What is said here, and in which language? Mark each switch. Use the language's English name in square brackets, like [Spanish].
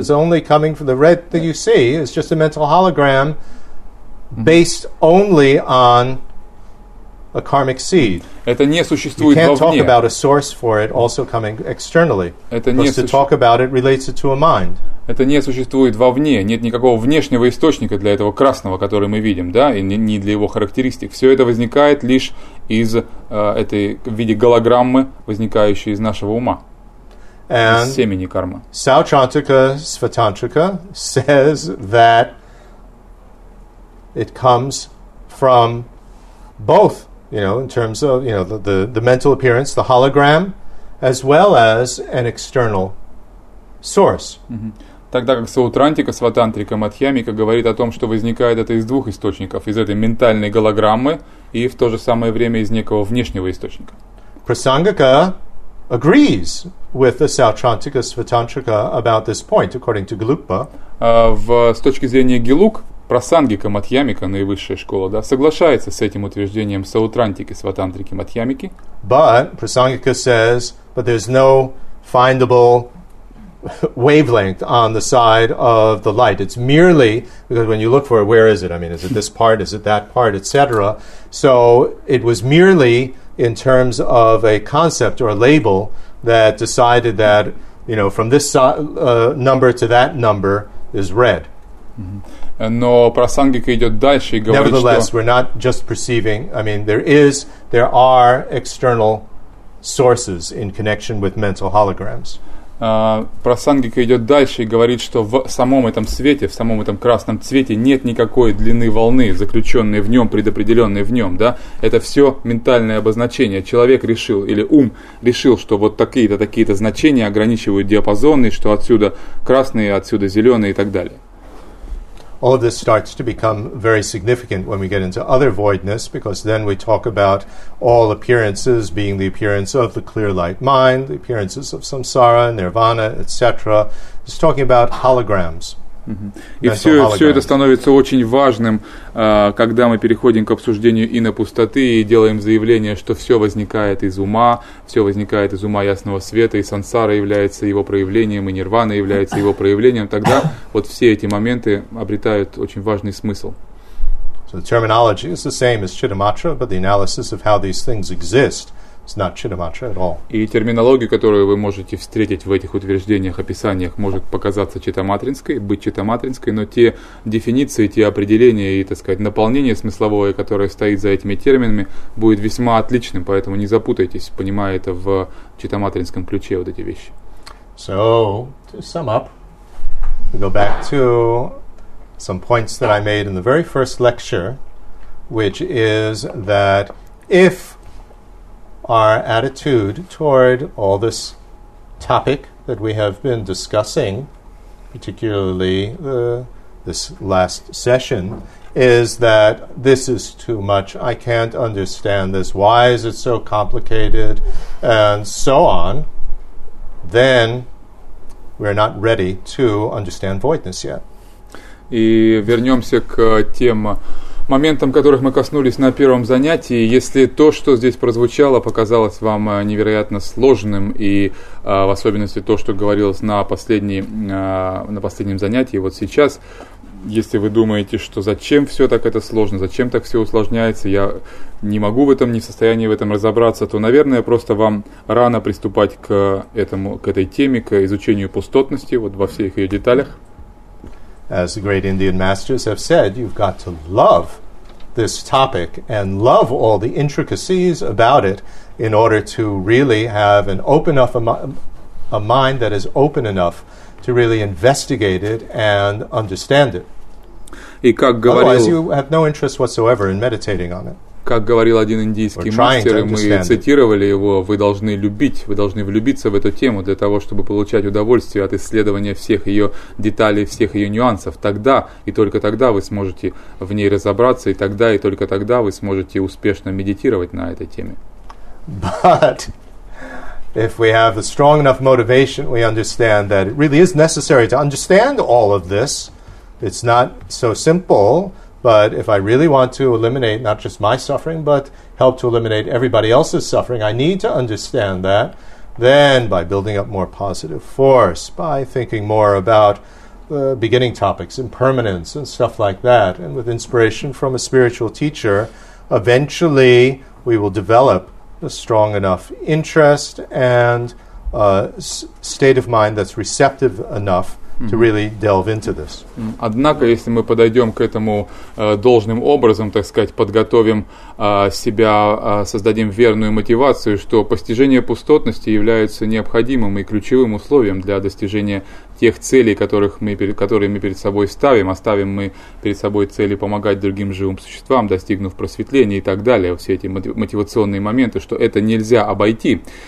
[English] It's only coming from the red that you see. It's just a mental hologram mm-hmm. based only on a karmic seed. [Russian] Это не существует вовне. [English] You can't talk about a source for it also coming externally. To talk about it relates it to a mind. [Russian] Это не существует вовне. Нет никакого внешнего источника для этого красного, который мы видим, да, и не для его характеристик. Все это возникает лишь из этой в виде голограммы, возникающей из нашего ума. [English] And [Russian] из семени кармы. [English] Sautrantika Svatantrika says that it comes from both. You know, in terms of, you know, the mental appearance, the hologram, as well as an external source. Mm-hmm. [Russian] Тогда как Саутрантика, Сватантрика, Мадхьямика говорит о том, что возникает это из двух источников, из этой ментальной голограммы и в то же самое время из некого внешнего источника. [English] Prasangika agrees with the Saucantika Svatantrika about this point, according to Gelugpa. [Russian] С точки зрения Гелуг, Прасангика Мадхьямика, наивысшая школа, да, соглашается с этим утверждением Саутрантики, Сватантрики, Мадхьямики. [English] But Prasangika says, but there's no findable wavelength on the side of the light. It's merely, because when you look for it, where is it? I mean, is it this part? Is it that part? Etc. So it was merely in terms of a concept or a label that decided that, you know, from this number to that number is red. [Russian] Но Прасангика идет дальше и говорит, что... [English] Nevertheless, we're not just perceiving. I mean, there are external sources in connection with mental holograms. [Russian] Прасангика идет дальше и говорит, что в самом этом свете, в самом этом красном цвете нет никакой длины волны, заключенной в нем, предопределенной в нем, да? Это все ментальное обозначение. Человек решил, или ум решил, что вот такие-то значения ограничивают диапазон, и что отсюда красные, отсюда зеленые и так далее. [English] All of this starts to become very significant when we get into other voidness, because then we talk about all appearances being the appearance of the clear light mind, the appearances of samsara, nirvana, etc. It's talking about holograms. [Russian] И все это становится очень важным, когда мы переходим к обсуждению инопустоты и делаем заявление, что все возникает из ума, все возникает из ума ясного света, и сансара является его проявлением, и нирвана является его проявлением, тогда вот все эти моменты обретают очень важный смысл. [English] So the terminology is the same as Chittamatra, but the analysis of how these things exist is not Chittamatra at all. [Russian] И терминология, которую вы можете встретить в этих утверждениях, описаниях, может показаться читаматринской, быть читаматринской, но те дефиниции, те определения и, так сказать, наполнение смысловое, которое стоит за этими терминами, будет весьма отличным, поэтому не запутайтесь, понимая это в читаматринском ключе, вот эти вещи. [English] So, to sum up, we go back to some points that I made in the very first lecture, which is that if our attitude toward all this topic that we have been discussing, particularly this last session, is that this is too much, I can't understand this, why is it so complicated, and so on, then we're not ready to understand voidness yet. [Russian] И вернемся к тем моментам, которых мы коснулись на первом занятии. Если то, что здесь прозвучало, показалось вам невероятно сложным, и в особенности то, что говорилось на последнем занятии, вот сейчас, если вы думаете, что зачем все так это сложно, зачем так все усложняется, я не могу в этом, не в состоянии в этом разобраться, то, наверное, просто вам рано приступать к этой теме, к изучению пустотности, вот во всех ее деталях. [English] As the great Indian masters have said, you've got to love this topic and love all the intricacies about it in order to really have an open enough a mind that is open enough to really investigate it and understand it. [Russian] И как говорил, [English] otherwise, you have no interest whatsoever in meditating on it. [Russian] Как говорил один индийский мастер, мы цитировали его, вы должны влюбиться в эту тему для того, чтобы получать удовольствие от исследования всех ее деталей, всех ее нюансов. Тогда и только тогда вы сможете в ней разобраться, и тогда и только тогда вы сможете успешно медитировать на этой теме. [English] But if we have a strong enough motivation, we understand that it really is necessary to understand all of this. It's not so simple. But if I really want to eliminate not just my suffering, but help to eliminate everybody else's suffering, I need to understand that. Then, by building up more positive force, by thinking more about the beginning topics, impermanence, and stuff like that, and with inspiration from a spiritual teacher, eventually we will develop a strong enough interest and a state of mind that's receptive enough to really delve into this. [Russian] Однако, если мы подойдем к этому должным образом, так сказать, подготовим себя, создадим верную мотивацию, что постижение пустотности является необходимым и ключевым условием для достижения тех целей, которые мы перед собой ставим, а ставим мы перед собой цели помогать другим живым существам, достигнув просветления и так далее, все эти мотивационные моменты, что это нельзя обойти.